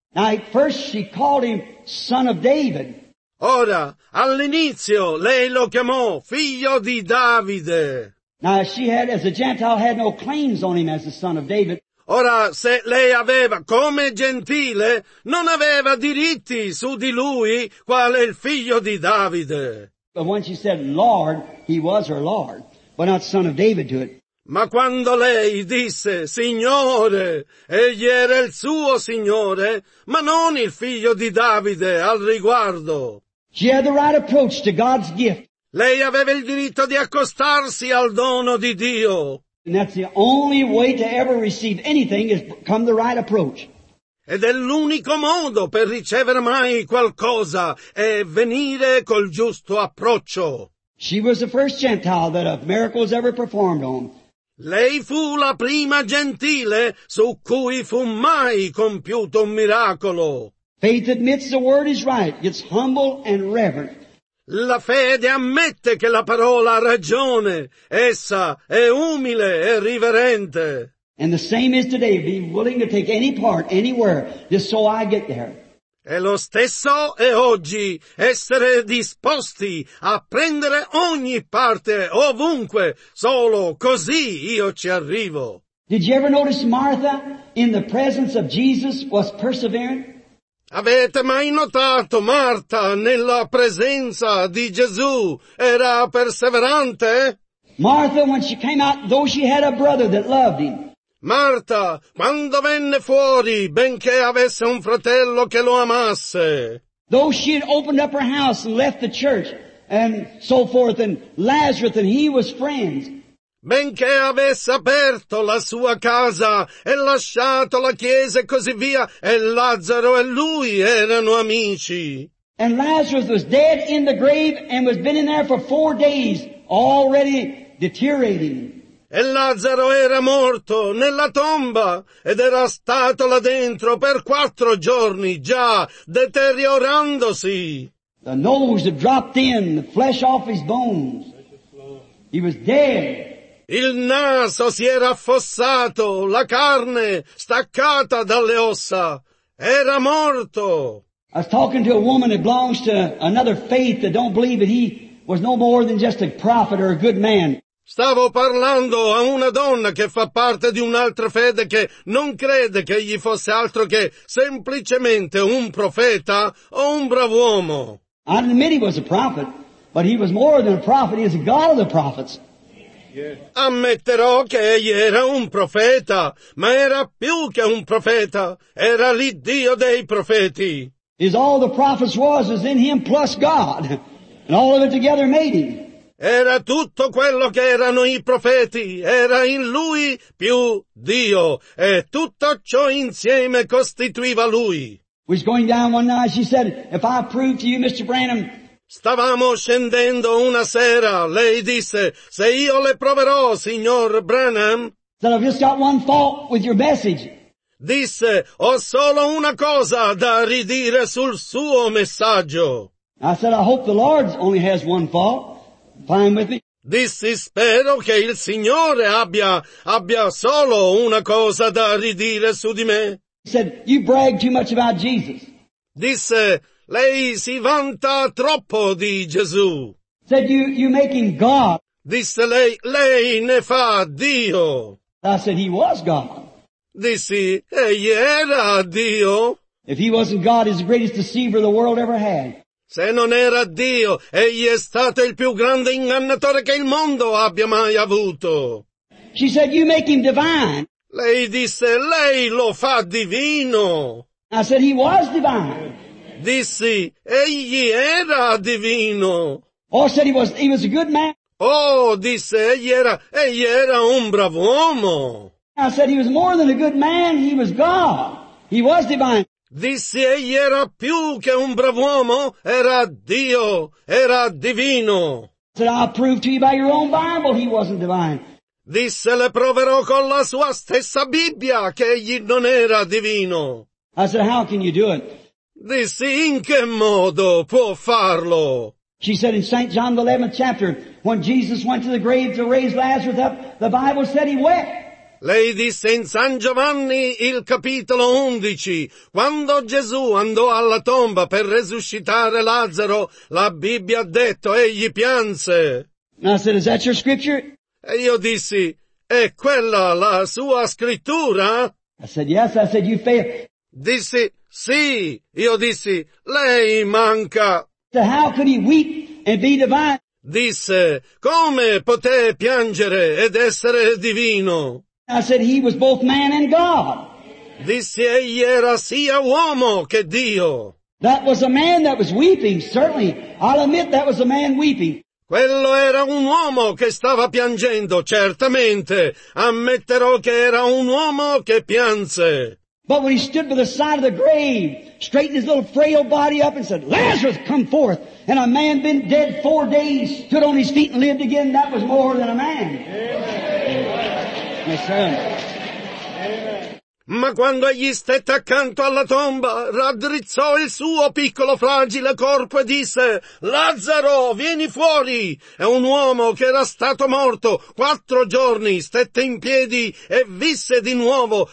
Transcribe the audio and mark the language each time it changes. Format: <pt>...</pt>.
<en>Now at first she called him son of David.</en> <it>Ora, all'inizio lei lo chiamò figlio di Davide.</it> <en>Now she had, as a Gentile, had no claims on him as the son of David.</en> <it>Ora, se lei aveva, come gentile, non aveva diritti su di lui, quale il figlio di Davide.</it> <en>But when she said Lord, he was her Lord, but not son of David to it.</en> <it>Ma quando lei disse Signore, egli era il suo Signore, ma non il figlio di Davide al riguardo.</it> <en>She had the right approach to God's gift.</en> <it>Lei aveva il diritto di accostarsi al dono di Dio.</it> <en>And that's the only way to ever receive anything is come the right approach.</en> <it>Ed è l'unico modo per ricevere mai qualcosa, è venire col giusto approccio.</it> <en>She was the first Gentile that a miracle was ever performed on.</en> <it>Lei fu la prima gentile su cui fu mai compiuto un miracolo.</it> <en>Faith admits the word is right. It's humble and reverent.</en> <it>La fede ammette che la parola ha ragione. Essa è umile e riverente.</it> <en>And the same is today. Be willing to take any part, anywhere, just so I get there.</en> <it>E lo stesso è oggi, essere disposti a prendere ogni parte, ovunque, solo così io ci arrivo.</it> <en>Did you ever notice Martha in the presence of Jesus was persevering?</en> <it>Avete mai notato Martha nella presenza di Gesù era perseverante?</it> <en>Martha, when she came out, though she had a brother that loved him.</en> <it>Marta, quando venne fuori, benché avesse un fratello che lo amasse.</it> <en>Though she had opened up her house and left the church and so forth, and Lazarus and he was friends.</en> <it>Benché avesse aperto la sua casa e lasciato la chiesa e così via, e Lazzaro e lui erano amici.</it> <en>And Lazarus was dead in the grave and was been in there for 4 days, already deteriorating.</en> <it>E Lazzaro era morto nella tomba ed era stato là dentro per 4 giorni, già deteriorandosi.</it> <en>The nose had dropped in, the flesh off his bones. He was dead.</en> <it>Il naso si era affossato, la carne staccata dalle ossa. Era morto.</it> <en>I was talking to a woman that belongs to another faith that don't believe that he was no more than just a prophet or a good man.</en> <it>Stavo parlando a una donna che fa parte di un'altra fede che non crede che egli fosse altro che semplicemente un profeta o un bravo uomo.</it> <en>I admit he was a prophet, but he was more than a prophet, he is the God of the prophets. Yeah.</en> <it>Ammetterò che egli era un profeta, ma era più che un profeta, era l'Iddio dei profeti.</it> <en>Is all the prophets was in him plus God, and all of it together made him.</en> <it>Era tutto quello che erano i profeti, era in lui più Dio, e tutto ciò insieme costituiva lui.</it> <en>We're going down one night, she said, if I prove to you, Mr. Branham.</en> <it>Stavamo scendendo una sera, lei disse, se io le proverò, signor Branham.</it> <en>Said, I've just got one fault with your message.</en> <it>Disse, ho solo una cosa da ridire sul suo messaggio.</it> <en>I said, I hope the Lord only has one fault. Fine with me.</en> <it>Dissi, spero che il Signore abbia solo una cosa da ridire su di me.</it> <en>He said, you brag too much about Jesus.</en> <it>Disse, lei si vanta troppo di Gesù.</it> <en>Said, you make him God.</en> <it>Disse, lei ne fa Dio.</it> <en>I said, he was God.</en> <it>Dissi, egli era Dio.</it> <en>If he wasn't God, he's the greatest deceiver the world ever had.</en> <it>Se non era Dio, egli è stato il più grande ingannatore che il mondo abbia mai avuto.</it> <en>She said, you make him divine.</en> <it>Lei disse, lei lo fa divino.</it> <en>I said, he was divine.</en> <it>Dissi, egli era divino.</it> <en>Oh, said he was a good man.</en> <it>Oh, disse, egli era un bravo uomo.</it> <en>I said, he was more than a good man, he was God. He was divine.</en> <it>Dissi, egli era più che un bravo uomo, era Dio, era divino.</it> <en>Said, I'll prove to you by your own Bible he wasn't divine.</en> <it>Disse, le proverò con la sua stessa Bibbia che egli non era divino.</it> <en>I said, how can you do it?</en> <it>Dissi, in che modo può farlo?</it> <en>She said, in St. John the 11th chapter, when Jesus went to the grave to raise Lazarus up, the Bible said he wept.</en> <it>Lei disse in San Giovanni il capitolo 11, quando Gesù andò alla tomba per resuscitare Lazzaro, la Bibbia ha detto, egli pianse.</it> <en>I said, is that your scripture?</en> <it>E io dissi, è quella la sua scrittura?</it> <en>I said, yes, I said, you failed.</en> <it>Dissi, sì, io dissi, lei manca.</it> <en>So how could he weep and be divine?</en> <it>Disse, come poté piangere ed essere divino?</it> <en>I said, he was both man and God.</en> <it>Dissi, egli era sia uomo che Dio.</it> <en>That was a man that was weeping, certainly. I'll admit that was a man weeping.</en> <it>Quello era un uomo che stava piangendo, certamente. Ammetterò che era un uomo che pianse.</it> <en>But when he stood by the side of the grave, straightened his little frail body up and said, Lazarus, come forth. And a man been dead 4 days, stood on his feet and lived again, that was more than a man. Amen. Yes, sir. Amen.</en> <it>Ma quando egli stette accanto alla tomba, raddrizzò il suo piccolo fragile corpo e disse, «Lazzaro, vieni fuori!» E un uomo che era stato morto 4 giorni stette in piedi e visse di nuovo.</it>